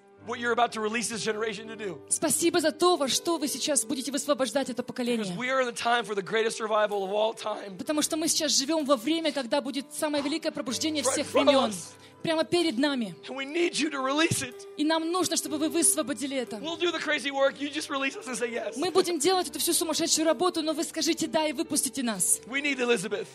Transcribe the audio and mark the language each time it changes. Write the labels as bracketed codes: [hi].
[en] what you're about to release this generation to do. [ru] Спасибо за то, во что вы сейчас будете высвобождать это поколение. [en] Because we are in the time for the greatest revival of all time. [ru] Потому что мы сейчас живем во время, когда будет самое великое пробуждение всех времен. Прямо перед нами. [en] And we need you to release it. [ru] И нам нужно, чтобы вы высвободили это. [en] We'll do the crazy work. You just release us and say yes. [ru] Мы будем делать эту всю сумасшедшую работу, но вы скажите да и выпустите нас. [en] We need Elizabeth.